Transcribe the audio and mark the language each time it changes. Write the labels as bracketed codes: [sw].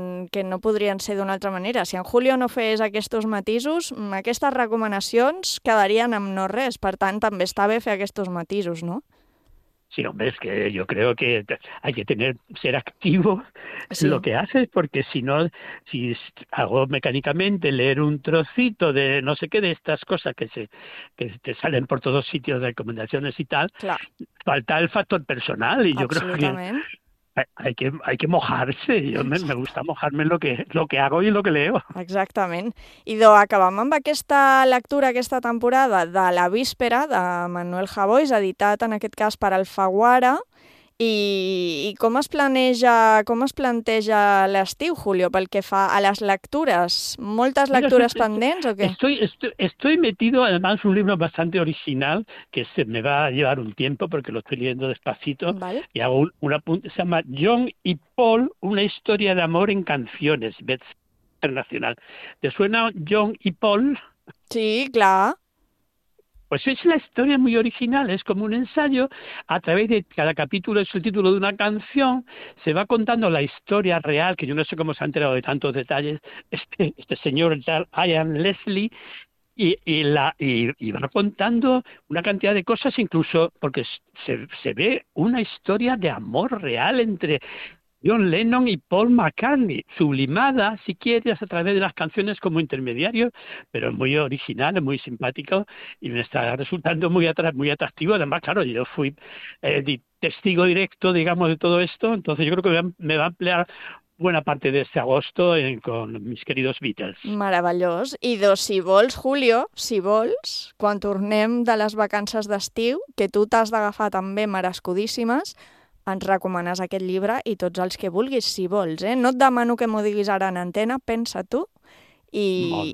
[ca] Que no podrien ser d'una altra manera. Si en Julio no fes aquests matisos, aquestes recomanacions quedarien amb no res. Per tant, també està bé fer aquests matisos, no? [es] Sí, hombre, es que yo creo que hay que ser activo en lo Sí. que haces, porque si no, si hago mecánicamente leer un trocito de no sé qué, de estas cosas que te salen por todos sitios de recomendaciones y tal, [ca] Clar. [es] falta el factor personal y yo creo que [ca] Absolutament. [es] hay que mojarse. Yo me gusta mojarme en lo que hago y lo que leo. [ca] Exactament. Idò, acabam amb aquesta lectura, aquesta temporada de La víspera, de Manuel Havois, editat en aquest cas per Alfaguara. I com es planteja l'estiu, Julio, pel que fa a les lectures? Moltes [es] Mira, [ca] lectures pendents o què? [es] estoy metido, además, un libro bastante original que se me va a llevar un tiempo porque lo estoy leyendo despacito y hago un apunte. Se llama John y Paul, una historia de amor en canciones, best internacional. ¿Te suena John y Paul? Sí, claro. Pues es la historia muy original, es como un ensayo, a través de cada capítulo es el título de una canción, se va contando la historia real, que yo no sé cómo se ha enterado de tantos detalles este señor, el tal Ian Leslie, y va contando una cantidad de cosas, incluso porque se ve una historia de amor real entre John Lennon y Paul McCartney, sublimada, si quieres, a través de las canciones como intermediario, pero muy original, muy simpático y me está resultando muy atractivo. Además, claro, yo fui testigo directo, digamos, de todo esto, entonces yo creo que me va a emplear buena parte de este agosto con mis queridos Beatles. [ca] Meravellós. I doncs, si vols, Julio, si vols, quan tornem de les vacances d'estiu, que tu t'has d'agafar també merescudíssimes, ens recomanes aquest llibre i tots els que vulguis, si vols. Eh? No et demano que m'ho diguis ara en antena, pensa tu Molt i